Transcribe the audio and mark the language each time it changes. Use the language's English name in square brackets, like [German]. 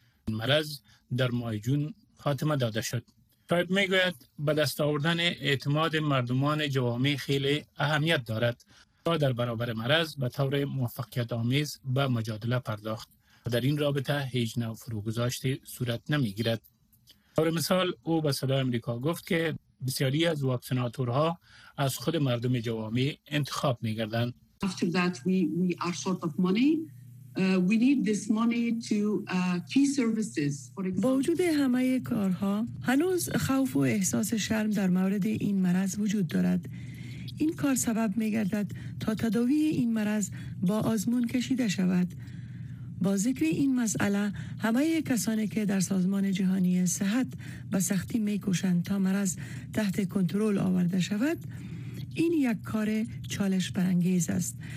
[Persian] این مرض در ماه جون خاتمه داده شد. شاید می گوید به دست آوردن اعتماد مردمان جوامع خیلی اهمیت دارد تا در برابر مرض به طور موفقیت آمیز به مجادله پرداخت. در این رابطه هیچ نوع فروگذاشتی صورت نمی گیرد. طور مثال او به صدای امریکا گفت که بسیاری از واکسیناتورها از خود مردم جوامع انتخاب می گردند. [English] After that we are short of money. We need this money to key services. For example. [Persian] با وجود همه کارها هنوز خوف و احساس شرم در مورد این مرض وجود دارد. این کار سبب می گردد تا تداوی این مرض با آزمون کشیده شود. با ذکر این مسئله همه کسانی که در سازمان جهانی صحت به سختی می کوشند تا مرض تحت کنترل آورده شود، این یک کار چالش برانگیز است.